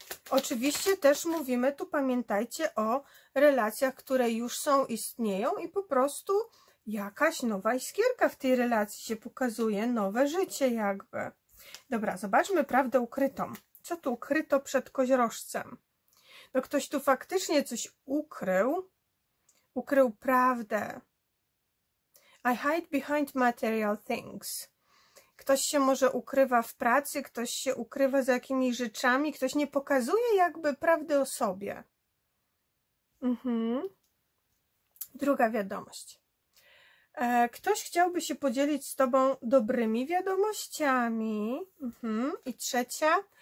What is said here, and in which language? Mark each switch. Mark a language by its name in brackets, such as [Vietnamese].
[Polish] Oczywiście też mówimy tu, pamiętajcie o relacjach, które już są, istnieją i po prostu jakaś nowa iskierka w tej relacji się pokazuje, nowe życie jakby. Dobra, zobaczmy prawdę ukrytą. Co tu ukryto przed koziorożcem? No ktoś tu faktycznie coś ukrył. Ukrył prawdę. [English] I hide behind material things. [Polish] Ktoś się może ukrywa w pracy, ktoś się ukrywa za jakimiś rzeczami, ktoś nie pokazuje jakby prawdy o sobie. Druga wiadomość. Ktoś chciałby się podzielić z tobą dobrymi wiadomościami. I trzecia.